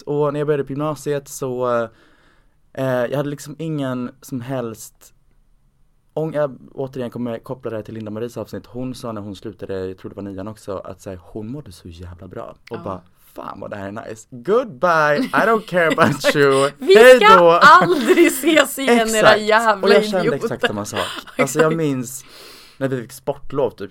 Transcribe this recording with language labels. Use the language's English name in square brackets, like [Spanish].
[Swedish] Och när jag började på gymnasiet så jag hade liksom ingen som helst jag återigen kommer jag koppla det här till Linda Maries avsnitt. Hon sa när hon slutade, jag tror det var nian också, att så här, hon mådde så jävla bra. Och ja, bara, fan vad det här är nice. [English] Goodbye, I don't care about you. [Swedish] Vi ska aldrig ses igen, era jävla idioter. Och jag kände exakt samma sak. Alltså jag minns när vi fick sportlov typ.